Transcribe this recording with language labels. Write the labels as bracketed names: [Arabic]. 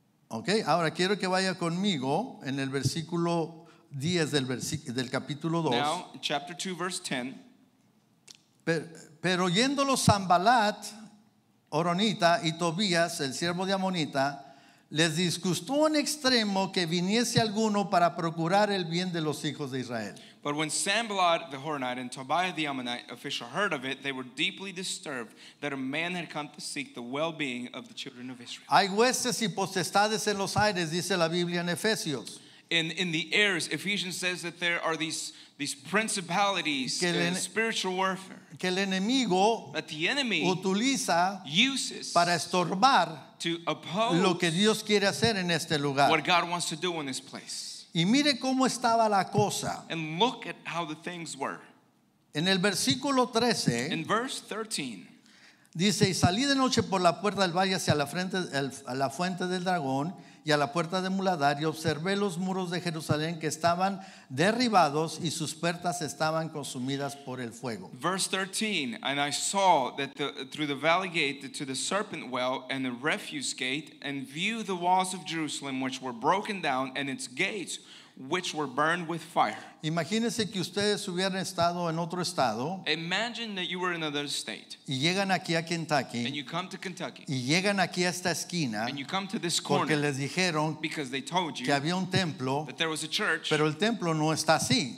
[Spanish] Okay, ahora quiero que vaya conmigo en el versículo 10 del capítulo 2. [English] Now, chapter 2, verse 10. [Spanish] Pero yéndolo Sanbalat, Oronita, y Tobías, el siervo de Amonita, les disgustó en extremo que viniese alguno para procurar el bien de los hijos de Israel. [English] But when Sanbalat the Horonite and Tobiah the Ammonite official heard of it, they were deeply disturbed that a man had come to seek the well-being of the children of Israel. [Spanish] Hay huestes y potestades en los aires, dice la Biblia en Efesios. [English] In the airs, Ephesians says that there are these principalities in spiritual warfare. [Spanish] Que el enemigo [English] that the enemy [Spanish] utiliza [English] uses [Spanish] para estorbar [English] to oppose [Spanish] lo que Dios quiere hacer en este lugar. [English] What God wants to do in this place. [Spanish] Y mire cómo estaba la cosa. [English] And look at how the things were. [Spanish] En el versículo 13, [English] in verse 13, [Spanish] dice, y salí de noche por la puerta del valle hacia la fuente del dragón y a la puerta de Muladar, y observé los muros de Jerusalén que estaban derribados y sus puertas estaban consumidas por el fuego. [English] Verse 13, and I saw that through the valley gate to the serpent well and the refuse gate, and view the walls of Jerusalem which were broken down and its gates which were burned with fire. [Spanish] Imagínense que ustedes hubieran estado en otro estado. [English] Imagine that you were in another state. [Spanish] Y llegan aquí a Kentucky. [English] And you come to Kentucky. [Spanish] Y llegan aquí a esta esquina. [English] And you come to this corner. [Spanish] Porque les dijeron que había un templo. [English] That there was a church. [Spanish] Pero el templo no está así.